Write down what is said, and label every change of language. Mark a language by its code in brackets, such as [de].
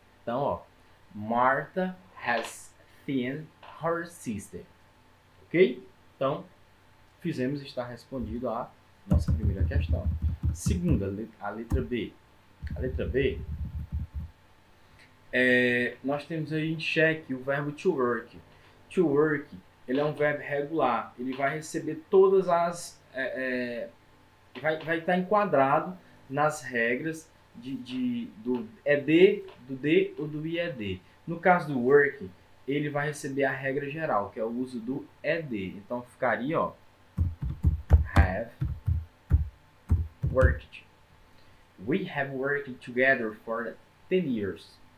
[pt] Então, ó, [en] Marta has seen her sister. [pt] Ok? Então, fizemos estar respondido a nossa primeira questão. Segunda, a letra B. A letra B, nós temos aí em xeque o verbo to work. To work, ele é um verbo regular. Ele vai receber todas as. Vai estar enquadrado nas regras do ED, do D ou do IED. No caso do work, ele vai receber a regra geral, que é o uso do ED. Então ficaria, ó, [en] have worked. We have worked together for 10 years.